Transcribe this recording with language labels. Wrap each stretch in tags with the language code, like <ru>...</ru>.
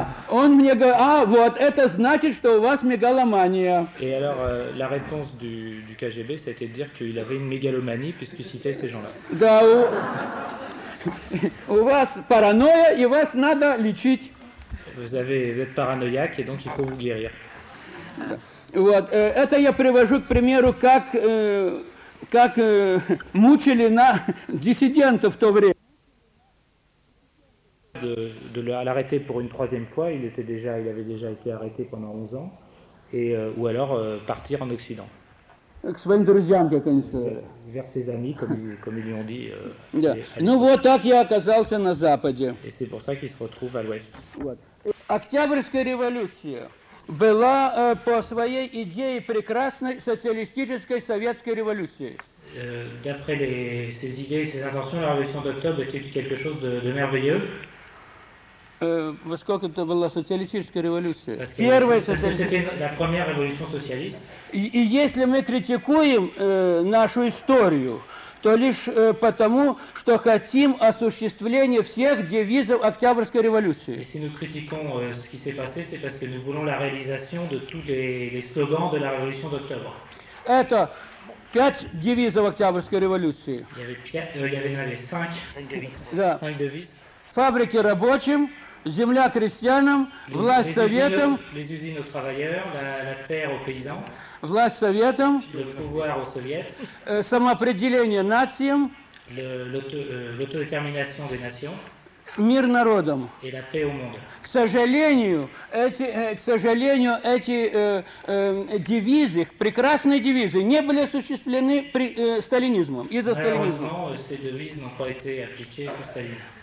<ru>Он мне говорит, а вот, это значит, что у вас мегаломания.</ru> <fr>Et alors, la réponse du KGB, ça a été de dire qu'il avait une mégalomanie, puisqu'il citait ces gens-là.</fr> <ru>Да, у вас паранойя, и вас надо лечить.</ru> <fr>Vous êtes paranoïaque et donc il faut vous guérir.</fr> <ru>Вот, это я привожу к примеру, как мучили на диссидентов в то время.</ru> <fr>De l'arrêter pour une troisième fois, il avait déjà été arrêté pendant 11 ans et ou alors partir en Occident.</fr> <ru>К своим друзьям, как они сказали.</ru> <fr>Comme ils lui ont dit.</fr> <ru>Ну вот так я оказался на Западе.</ru> <fr>Et c'est pour ça qu'il se retrouve à l'Ouest.</fr> <ru>Вот. Октябрьская революция была по своей идее прекрасной социалистической советской революцией.</ru> <fr>D'après ses idées, ses intentions, la révolution d'octobre était quelque chose de merveilleux.</fr> <ru>Во сколько это была социалистическая революция? Первая социалистическая.</ru> <fr>La première révolution socialiste.</fr> <ru>И если мы критикуем нашу историю, то лишь потому, что хотим осуществления всех девизов Октябрьской революции. Если мы критикуем,</ru> <fr>ce qui s'est passé, c'est parce que nous voulons la réalisation de tous les slogans de la révolution d'octobre.</fr> <ru>Это 5 девизов Октябрьской революции.</ru> <fr>Il y avait 5 девизов.</fr> <ru>Фабрики рабочим, земля крестьянам, власть советам.</ru> <fr>Les usines aux travailleurs, la terre aux paysans.</fr> <ru>Власть советам,</ru> <fr>le pouvoir aux soviets,</fr> <ru>самоопределение нациям,</ru> <fr>l'autodétermination des nations,</fr> <ru>мир народам.</ru> <fr>Et la paix au monde.</fr> <ru>К сожалению, эти девизы, прекрасные девизы, не были осуществлены при сталинизмом, из-за сталинизма.</ru> <fr>Ces devises n'ont pas été appliquées sous Staline.</fr>